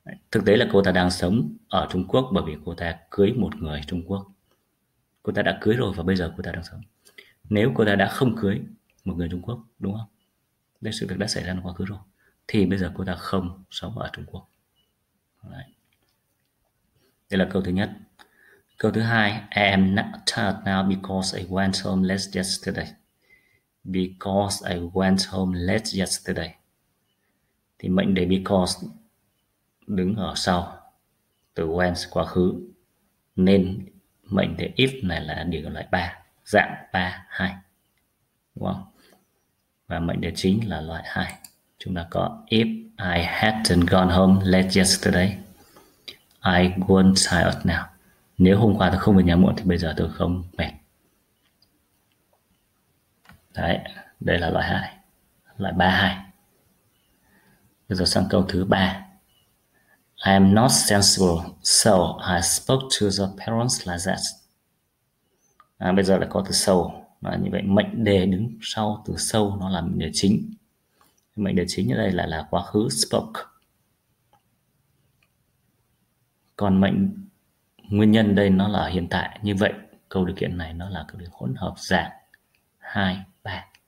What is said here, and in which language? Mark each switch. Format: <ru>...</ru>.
<vi>Thực tế là cô ta đang sống ở Trung Quốc bởi vì cô ta cưới một người Trung Quốc. Cô ta đã cưới rồi và bây giờ cô ta đang sống. Nếu cô ta đã không cưới một người Trung Quốc, đúng không? Đây sự việc đã xảy ra trong quá khứ rồi. Thì bây giờ cô ta không sống ở Trung Quốc. Đấy. Đây là câu thứ nhất. Câu thứ hai,</vi> <en>I am not tired now because I went home late yesterday. Because I went home late yesterday.</en> <vi>Thì mệnh đề because đứng ở sau từ went quá khứ nên mệnh đề if này là điều loại 3, dạng 3 2. Đúng không? Và mệnh đề chính là loại 2. Chúng ta có</vi> <en>if I hadn't gone home late yesterday, I won't tired now.</en> <vi>Nếu hôm qua tôi không về nhà muộn thì bây giờ tôi không mệt. Đấy, đây là loại 2. Loại 3 2. Bây giờ sang câu thứ 3.</vi> <en>I am not sensible, so I spoke to the parents like that.</en> <vi>À, bây giờ lại có từ so. Và như vậy mệnh đề đứng sau từ so nó là mệnh đề chính. Mệnh đề chính ở đây là quá khứ spoke. Còn mệnh nguyên nhân đây nó là hiện tại. Như vậy câu điều kiện này nó là câu điều hỗn hợp dạng 2, 3.</vi>